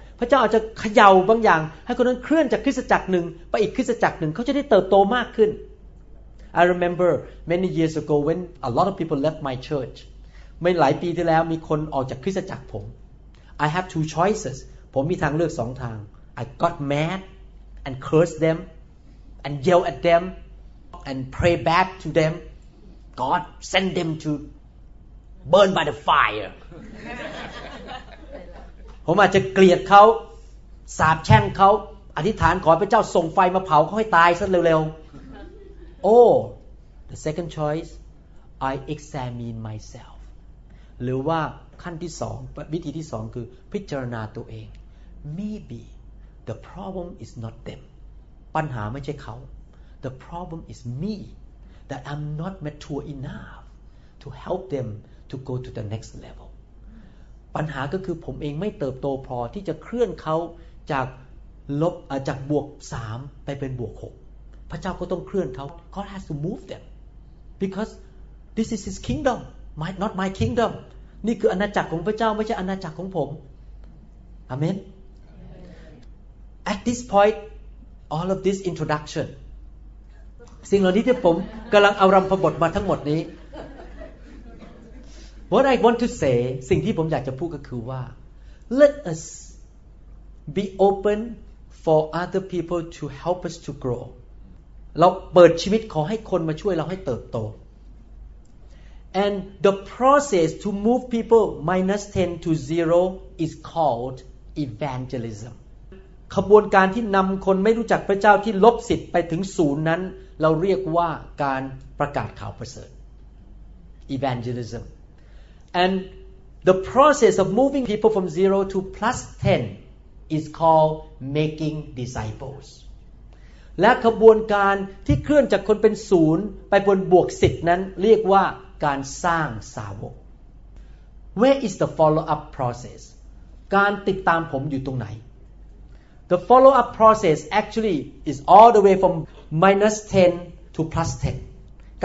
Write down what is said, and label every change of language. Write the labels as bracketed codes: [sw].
[th] พระเจ้าอาจจะเขย่าบางอย่างให้คนนั้นเคลื่อนจากคริสตจักรหนึ่งไปอีกคริสตจักรหนึ่งเขาจะได้เติบโตมากขึ้น [en] I remember many years ago when a lot of people left my church. [th] เมื่อหลายปีที่แล้วมีคนออกจากคริสตจักรผม [en] I have two choices. [th] ผมมีทางเลือก2 ทาง. [en] I got mad and cursed them and yelled at them and prayed bad to them. God send them to burn by the fire. [th] ผมอาจจะเกลียดเขาสาปแช่งเขาอธิษฐานขอพระเจ้าส่งไฟมาเผาเขาให้ตายซะเร็วๆ [en] Oh, the second choice, I examine myself. [th] หรือว่าขั้นที่สองวิธีที่สองคือพิจารณาตัวเอง [en] Maybe the problem is not them. [th] ปัญหาไม่ใช่เขา [en] The problem is meThat I'm not mature enough to help them to go to the next level. [th] ปัญหาก็คือผมเองไม่เติบโตพอที่จะเคลื่อนเขาจากลบจากบวก3ไปเป็นบวก6พระเจ้าก็ต้องเคลื่อนเขา [en] God has to move them because This is his kingdom, not my kingdom. [th] นี่คืออาณาจักรของพระเจ้าไม่ใช่อาณาจักรของผม Amen. [en] At this point, all of this introduction. [th] สิ่งเหล่านี้ที่ผมกำลังเอารำพบทมาทั้งหมดนี้ [en] What I want to say, [th] สิ่งที่ผมอยากจะพูดก็คือว่า [en] Let us be open for other people to help us to grow. [th] เราเปิดชีวิตขอให้คนมาช่วยเราให้เติบโต [en] And the process to move people minus 10 to 0 is called evangelism. [th] ขบวนการที่นำคนไม่รู้จักพระเจ้าที่ลบ10ไปถึง0นั้นเราเรียกว่าการประกาศข่าวประเสริฐ Evangelism. [en] And the process of moving people from 0 to plus 10 is called making disciples. [th] และขบวนการที่เคลื่อนจากคนเป็น0ไปบนบวก10นั้นเรียกว่าการสร้างสาวก [en] Where is the follow up process? [th] การติดตามผมอยู่ตรงไหน [en] The follow up process actually is all the way from minus 10 to plus 10.